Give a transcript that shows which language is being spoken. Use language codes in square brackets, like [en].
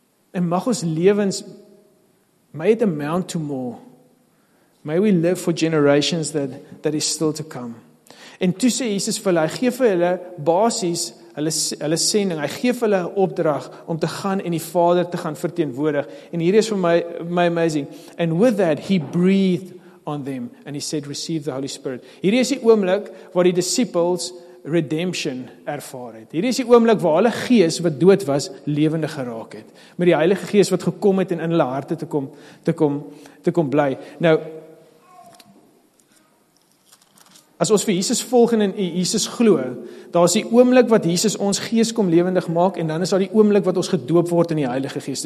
[af] En mag ons lewens, [en] may it amount to more, may we live for generations that is still to come. [af] En toe sê Jesus vir hulle, hy geef vir hulle basis, hulle sending, hy geef hulle opdrag om te gaan en die Vader te gaan verteenwoordig. En hier is vir my amazing. [en] And with that, he breathed on them and he said, receive the Holy Spirit. [af] Hier is die oomblik waar die disciples redemption ervaar het. Hier is die oomblik waar hulle gees wat dood was, lewendig geraak het. Met die Heilige Gees wat gekom het en in hulle harte te kom bly. Nou, as ons vir Jesus volg en in Jesus glo, daar is die oomblik wat Jesus ons gees kom lewendig maak, en dan is daar die oomblik wat ons gedoop word in die Heilige Gees.